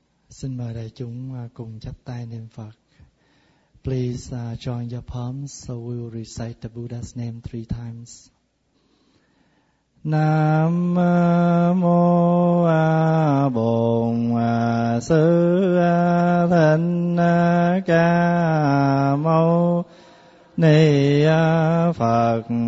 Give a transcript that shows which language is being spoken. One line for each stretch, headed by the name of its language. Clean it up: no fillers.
Vietnamese: Xin mời đại chúng cùng chắp tay niệm Phật.
English: Please join your palms so we will recite the Buddha's name three times.
Vietnamese: Nam mô A Bổn Sư Thích Ca Mâu Ni Phật.